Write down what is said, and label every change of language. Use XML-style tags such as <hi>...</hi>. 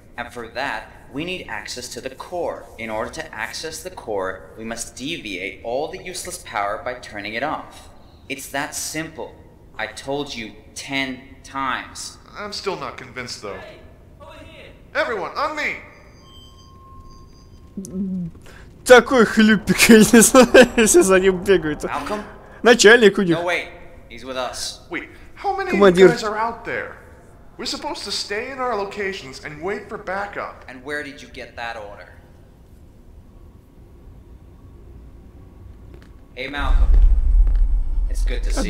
<en>And for that, we need access to the core. In order to access the core, we must deviate all the useless power by turning it off. It's that simple. I told you 10 times. I'm still not convinced, though. Hey, over here. Everyone, on me!</en> <ru>Такой хлюпик, я не знаю, все за ним бегают.</ru> <en>Malcolm?</en> <ru>Начальник у них.</ru> <en>No, wait. He's with us. Wait, how many</en> <ru>Командир.</ru> <en>Of you guys are out there? We're supposed to stay in our locations and wait for backup. And where did you get that order? Hey, Malcolm. It's good to see</en>